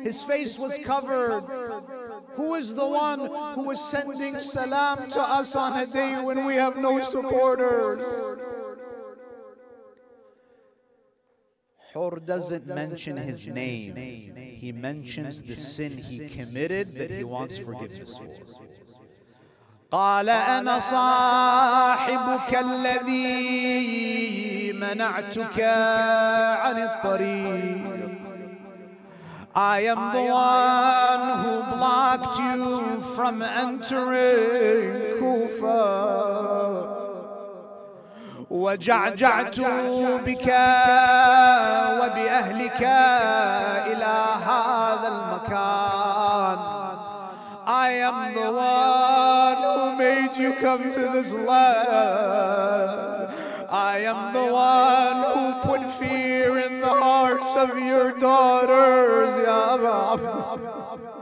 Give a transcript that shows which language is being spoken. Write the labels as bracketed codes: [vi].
[en] His face was covered. Who is the one who is sending salam to us on a day when we have no supporters? Hur doesn't mention his name. He mentions the sin he committed that he wants forgiveness for. [ar] قال أنا صاحبك الذي منعتك عن الطريق. [en] I am the one who blocked you from entering Kufa. [ar] وجعجعت بك وبأهلك إلى هذا المكان. [en] I am the one who made you come to this land. I am the one who put fear in the hearts of your daughters, Ya Aba.